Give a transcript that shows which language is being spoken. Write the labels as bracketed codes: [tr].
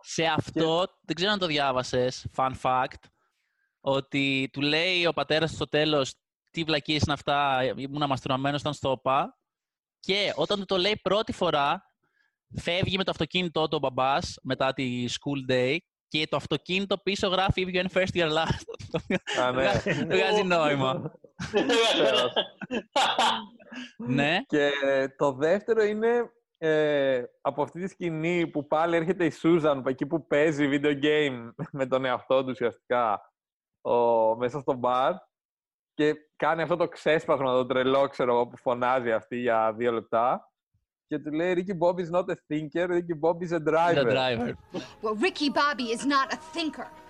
[el] Σε αυτό, και... δεν ξέρω αν το διάβασε, fun fact, ότι του λέει ο πατέρα στο τέλο, τι βλακίε είναι αυτά, ήμουν μαστερωμένο, ήταν στο όπα. Και όταν του το λέει πρώτη φορά, φεύγει με το αυτοκίνητό του ο μπαμπά μετά τη school day. Και το αυτοκίνητο πίσω γράφει [en] if you ain't first, you're last. [el] Α, ναι. Βγάζει νόημα. Ναι. Και το δεύτερο είναι από αυτή τη σκηνή που πάλι έρχεται η Σούζαν εκεί που παίζει video game με τον εαυτό του ουσιαστικά μέσα στο μπαρ και κάνει αυτό το ξέσπασμα, το τρελό, ξέρω εγώ, που φωνάζει αυτή για δύο λεπτά. Και του λέει, [en] Ricky Bobby's not a thinker, Ricky Bobby's a driver. Well, Ricky Bobby is not a thinker.